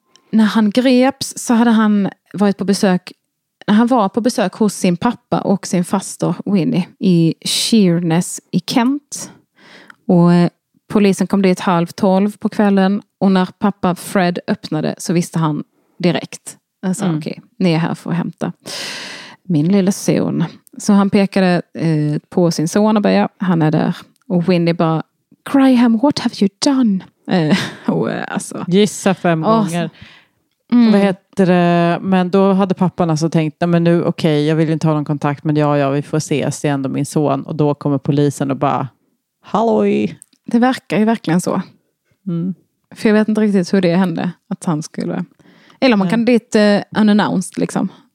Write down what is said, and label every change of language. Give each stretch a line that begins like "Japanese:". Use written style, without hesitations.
Swedish: När han greps så hade han varit på besök. När han var på besök hos sin pappa och sin faster Winnie i Sheerness i Kent. Och polisen kom dit 11:30 på kvällen. Och när pappa Fred öppnade så visste han direkt. Han sa okej, ni är här för att hämta min lilla son. Så han pekade på sin son och bara, ja, han är där. Och Winnie bara,
English: Graham, what have you done?
Swedish: Alltså. Gissa fem gånger. Vad heter det? Men då hade pappan alltså tänkt, men nu okej, okay, jag vill inte ha någon kontakt, men ja, vi får ses, det är ändå min son. Och då kommer polisen och bara, halloj. Det verkar ju verkligen så. För jag vet inte riktigt hur det hände, att han skulle, eller man kan dit unannounced liksom.